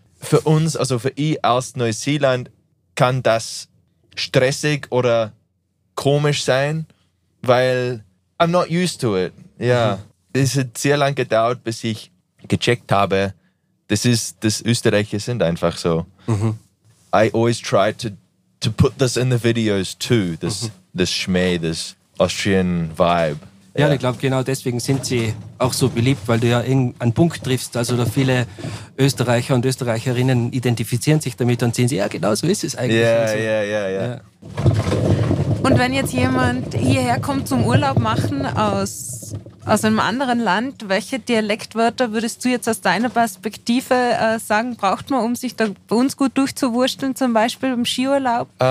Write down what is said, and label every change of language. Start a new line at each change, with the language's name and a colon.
German: Für uns, also für ich aus Neuseeland, kann das stressig oder komisch sein, weil
English: I'm not used to it.
German: Ja,
English: yeah.
German: Es hat sehr lange gedauert, bis ich gecheckt habe, das Österreicher sind einfach so. Mhm.
English: I always try to put this in the videos too, this Schmäh, this Austrian Vibe.
German: Ja, ich glaube, genau deswegen sind sie auch so beliebt, weil du ja einen Punkt triffst. Also da viele Österreicher und Österreicherinnen identifizieren sich damit und sehen sie, ja, genau so ist es eigentlich. Ja. Und wenn jetzt jemand hierher kommt zum Urlaub machen aus einem anderen Land, welche Dialektwörter würdest du jetzt aus deiner Perspektive sagen, braucht man, um sich da bei uns gut durchzuwursteln, zum Beispiel im Skiurlaub?